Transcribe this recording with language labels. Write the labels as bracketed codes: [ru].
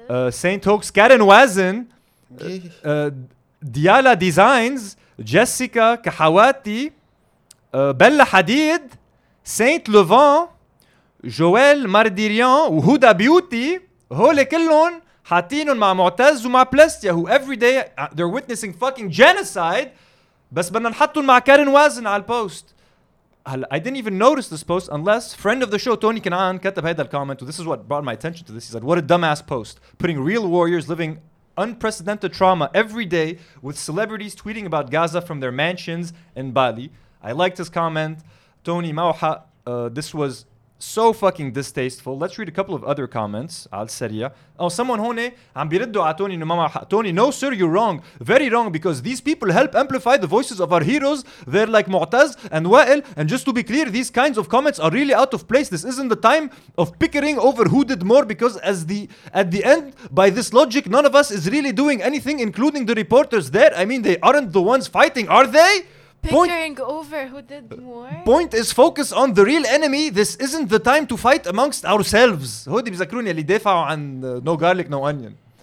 [en] Saint Hoax, Karen Wazin. Diala Designs, Jessica Kahawati, Bella Hadid, Saint Levant, [ar] جويل مارديريان وهدى بيوتي هول كلهم حاطينهم مع معتز ومع بلاستيا [en] who every day they're witnessing fucking genocide [ar] بس بدنا نحطهم مع كارين وازن على البوست. [en] I didn't even notice this post unless friend of the show Tony Kanaan [ar] كتب هذا الكومنت. [en] This is what brought my attention to this. He said, what a dumbass post. Putting real warriors living unprecedented trauma every day with celebrities tweeting about Gaza from their mansions in Bali. I liked his comment. Tony Mauha, this was so fucking distasteful. Let's read a couple of other comments. Al Seria. Oh, someone here is responding to Tony Mauha. Tony, no sir, you're wrong. Very wrong, because these people help amplify the voices of our heroes. They're like Mu'taz and Wael. And just to be clear, these kinds of comments are really out of place. This isn't the time of pickering over who did more, because at the end, by this logic, none of us is really doing anything, including the reporters there. I mean, they aren't the ones fighting, are they? Pickering over who did more. Point is, focus on the real enemy. This isn't the time to fight amongst ourselves. [ar] هودي بذكروني اللي دافعوا عن [en] no garlic, no onion.